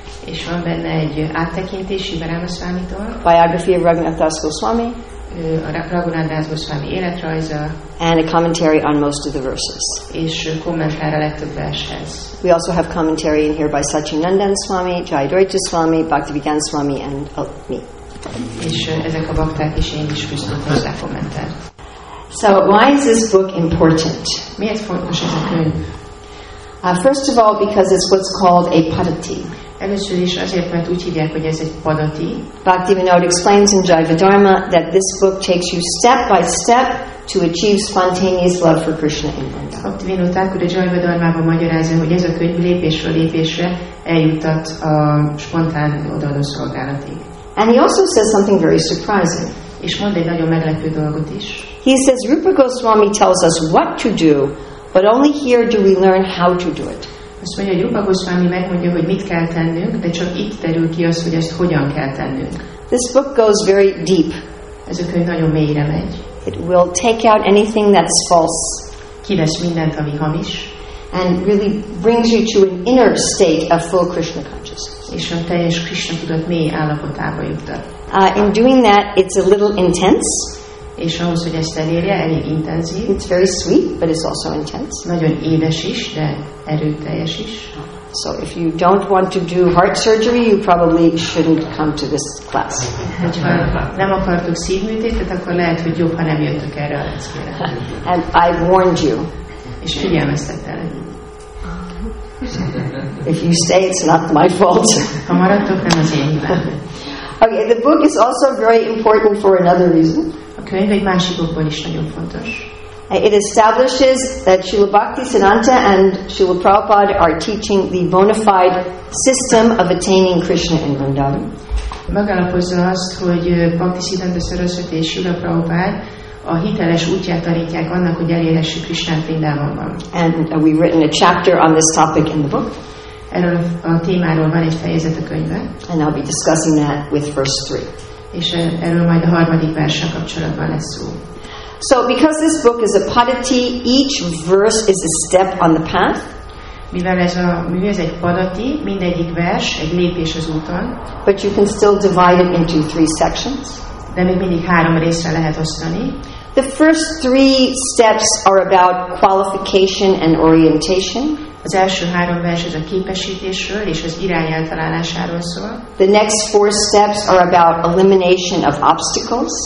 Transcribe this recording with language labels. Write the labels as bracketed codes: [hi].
[hu] És van benne egy áttekintés Shivaram Swamitól. [en] Biography of Raghunath Das Goswami. [hu] Raghunath Das Goswami életrajza. [en] And a commentary on most of the verses. [hu] És kommentár a legtöbb vershez. [en] We also have commentary in here by Satchinandan Swami, Jai Dwaita Swami, Bhaktivikan Swami, and me. [hu] És ezek a bakták is én is fűztem hozzá kommentárt. [en] So why is this book important? [hu] Miért fontos ez a könyv? [en] First of all, because it's what's called a padati. [hu] Először is azért, mert úgy hívják, hogy ez egy padati. [en] Bhaktivinoda explains in Jaivadharma that this book takes you step by step to achieve spontaneous love for Krishna in Vrindavan. [hu] Bhaktivinoda Thakur a Jaivadharmában magyarázza, hogy ez a könyv lépésről lépésre eljutat a spontán odaadó szolgálatig. [en] And he also says something very surprising. [hu] És mond egy nagyon meglepő dolgot is. [en] He says, Rupa Goswami tells us what to do, but only here do we learn how to do it. [hu] Azt mondja, hogy Rupa Goswami megmondja, hogy mit kell tennünk, de csak itt terül ki az, hogy ezt hogyan kell tennünk. [en] This book goes very deep. [hu] Ez a könyv nagyon mélyre megy. [en] It will take out anything that's false. [hu] Kivesz mindent, ami hamis. [en] And really brings you to an inner state of full Krishna consciousness. [hu] És a teljes Krishna tudat mély állapotába juttat. [en] In doing that, it's a little intense. [hu] És ahhoz, hogy ezt elérje, elég intenzív. [en] It's very sweet, but it's also intense. [hu] Nagyon édes is, de erőteljes is. [en] So if you don't want to do heart surgery, you probably shouldn't come to this class. [hu] Hogyha nem akartok szívműtétet, akkor lehet, hogy jobb, ha nem jöttök erre a leckére. [en] And I've warned you. [hu] És figyelmeztettelek. [en] If you stay, it's not my fault. [hu] Ha maradtok, nem az én hibám. [en] Okay, the book is also very important for another reason. [hu] A könyv egy másik okból is nagyon fontos. [en] It establishes that Srila Bhaktisiddhanta and Srila Prabhupada are teaching the bona fide system of attaining Krishna in Vrindavan. [hu] Megalapozza azt, hogy Bhaktisiddhanta Saraswati és Srila Prabhupada a hiteles útját tanítják annak, hogy elérhessük Krishna Vrindavanban. [en] And we've written a chapter on this topic in the book. [hu] Erről a témáról van egy fejezet a könyvben. [en] And I'll be discussing that with verse 3. [hu] És erről majd a harmadik versen kapcsolatban lesz szó. [en] So because this book is a padati, each verse is a step on the path. [hu] Mivel ez a mű, ez egy padati, mindegyik vers egy lépés az úton. [en] But you can still divide it into 3 sections. [hu] De még mindig 3 részre lehet osztani. [en] The first 3 steps are about qualification and orientation. [hu] Az első 3 vers az a képesítésről és az irány eltalálásáról szól. [en] The next 4 steps are about elimination of obstacles.